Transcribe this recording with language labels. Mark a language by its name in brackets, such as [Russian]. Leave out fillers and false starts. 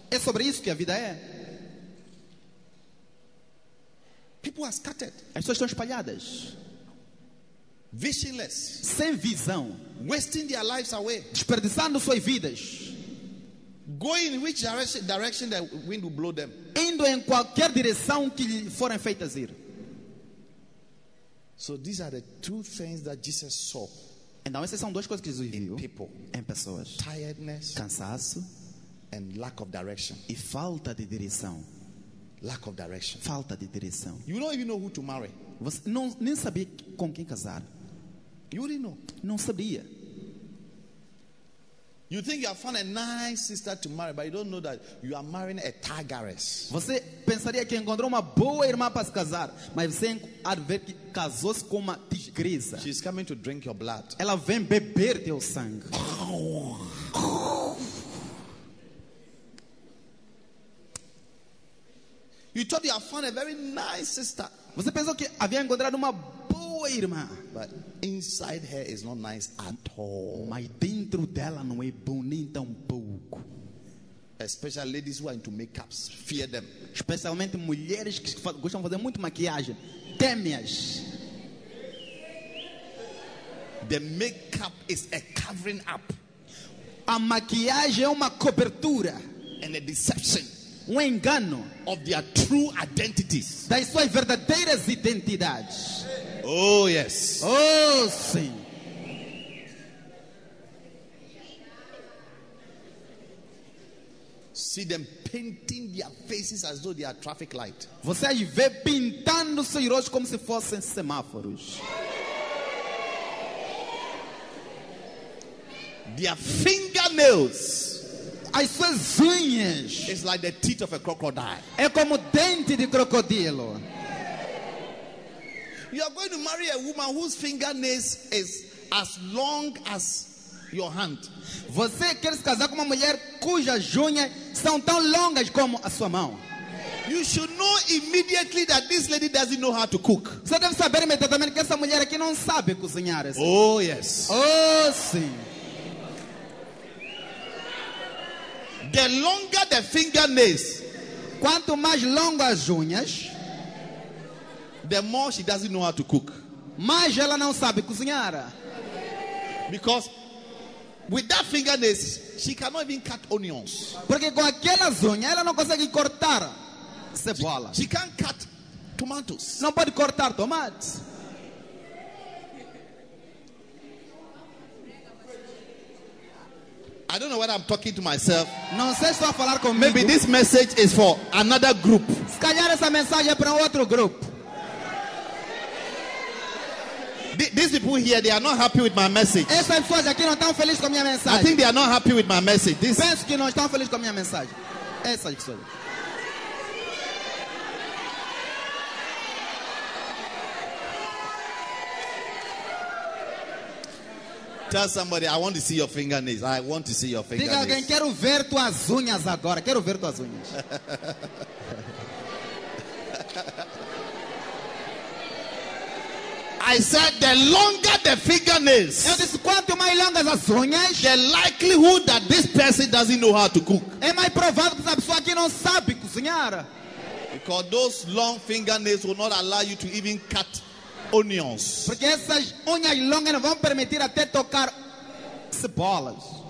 [Portuguese] É sobre isso que a vida é. [English] People are scattered. [Portuguese] As pessoas estão espalhadas. [English] Visionless. [Portuguese] Sem visão. [English] Wasting their lives away. [Portuguese] Desperdiçando suas vidas. [English] Going in which direction the wind will blow them. [Portuguese] Indo em qualquer direção que lhe forem feitas ir. [English] So these are the two things that Jesus saw. [Portuguese] Então essas são duas coisas que Jesus viu. [English] In people. [Portuguese] Em pessoas. [English] Tiredness. [Portuguese] Cansaço. [English] And lack of direction. [Portuguese] E falta de direção. [English] Lack of direction. [Portuguese] Falta de direção. [English] You don't even know who to marry. [Portuguese] Você não nem sabia com quem casar. [English] You didn't know. [Portuguese] Não sabia. [English] You think you have found a nice sister to marry, but you don't know that you are marrying a tigress. [Portuguese] Você pensaria que encontrou uma boa irmã para se casar, mas você adverte que casou-se com uma tigresa. [English] She's coming to drink your blood. [Portuguese] Ela vem beber teu sangue. [English] You thought you had found a very nice sister. [Portuguese] Você pensou que havia encontrado uma boa irmã. [English] But inside her is not nice at all. [Portuguese] Mas dentro dela não é bom nem tão pouco. [English] Especially ladies who are into makeups, fear them. [Portuguese] Especialmente mulheres que gostam de fazer muito maquiagem, teme-as. [English] The makeup is a covering up. [Portuguese] A maquiagem é uma cobertura. [English] And a deception. [Portuguese] Um engano [English] of their true identities. [Portuguese] Das suas verdadeiras identidades. [English] Oh yes. [Portuguese] Oh sim. [English] See them painting their faces as though they are traffic light. [Portuguese] Você aí vê pintando seus rostos como se fossem semáforos. [English] Their fingernails. [Portuguese] As suas unhas. [English] It's like the teeth of a crocodile. [Portuguese] É como dente de crocodilo. [English] You are going to marry a woman whose fingernails is as long as your hand. [Portuguese] Você quer se casar com uma mulher cujas unhas são tão longas como a sua mão. [English] You should know immediately that this lady doesn't know how to cook. [Portuguese] Você deve saber imediatamente que essa mulher aqui não sabe cozinhar. [English] Oh yes. [Portuguese] Oh sim. [English] The longer the fingernails, [Portuguese] quanto mais longas as unhas, [English] the more she doesn't know how to cook. [Portuguese] Mais ela não sabe cozinhar. [English] Because with that fingernails, she cannot even cut onions. [Portuguese] Porque com aquelas unhas ela não consegue cortar cebola. [English] She can't cut tomatoes. [Portuguese] Não pode cortar tomates. [English] I don't know what I'm talking to myself. [Portuguese] Não sei se estou a falar comigo. [English] Maybe this message is for another group. [Portuguese] Se calhar essa mensagem é para outro grupo. [English] These people here, they are not happy with my message. [Portuguese] Essas pessoas aqui não estão felizes com minha mensagem. [English] I think they are not happy with my message. This... [Portuguese] Penso que não estão felizes com minha mensagem. Essas pessoas. [English] Tell somebody, I want to see your fingernails. I want to see your fingernails. [Portuguese] Diga alguém, quero ver tuas unhas agora. Quero ver tuas unhas. [English] I I said the longer the fingernails, [Portuguese] eu disse, quanto mais longas as unhas, [English] the likelihood that this person doesn't know how to cook. [Portuguese] É mais provável que essa pessoa aqui não sabe cozinhar. [English] Because those long fingernails will not allow you to even cut onions. [Portuguese] Porque essas unhas longas não vão permitir até tocar cebolas.